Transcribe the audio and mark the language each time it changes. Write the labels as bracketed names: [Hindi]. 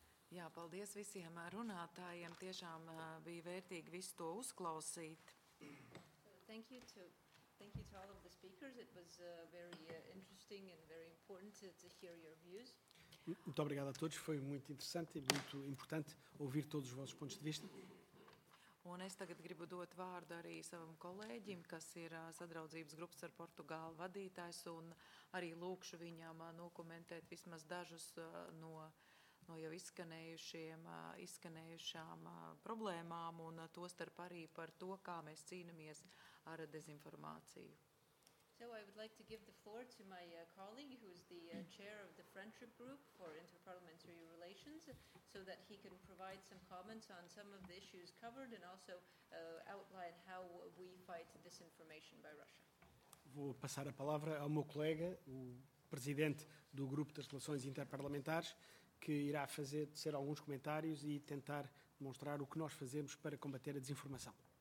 [Latvian] Jā, paldies visiem runātājiem. Tiešām bija vērtīgi visu to uzklausīt. [English] Thank you to all of the speakers. It was very interesting and very important to hear your views. [Portuguese] Muito obrigado a todos. Foi muito interessante e muito importante ouvir todos os vossos pontos de vista. [Latvian] Un es tagad gribu dot vārdu arī savam kolēģim, kas ir sadraudzības grupas ar Portugālu vadītājs, un arī lūkšu viņam nokomentēt vismaz dažus no jau izskanējušām problēmām, un to starp arī par to, kā mēs cīnamies ar dezinformāciju. [English] So I would like to give the floor to my colleague, who is the chair of the Friendship Group for Interparliamentary Relations, so that he can provide some comments on some of the issues covered and also outline how we fight disinformation by Russia. [Portuguese] Vou passar a palavra ao meu colega, o presidente do Grupo das Relações Interparlamentares, que irá fazer alguns comentários e tentar demonstrar o que nós fazemos para combater a desinformação.